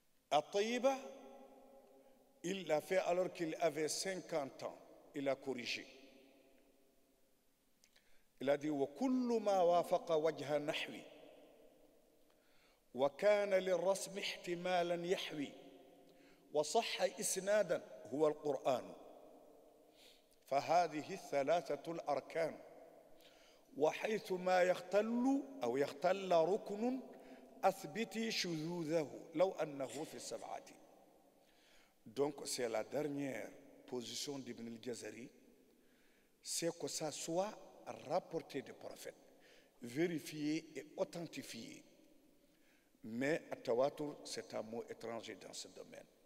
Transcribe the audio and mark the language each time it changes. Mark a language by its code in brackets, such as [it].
[fr] Al-Tayyiba, il l'a fait alors qu'il avait 50 ans. Il a corrigé. Il a dit [ar] وكل ما وافق وجه نحوي وكان للرسم احتمالا يحوي وصح اسنادا هو القران فهذه الثلاثه الاركان وحيث ما يختل او يختل ركن اثبتي شذوذه لو انه في السبعه [fr] دونك سي لا dernière position d'Ibn al-Jazari c'est que ça soit rapporté des prophètes, vérifié et authentifié. Mais Tawatur, c'est un mot étranger dans ce domaine.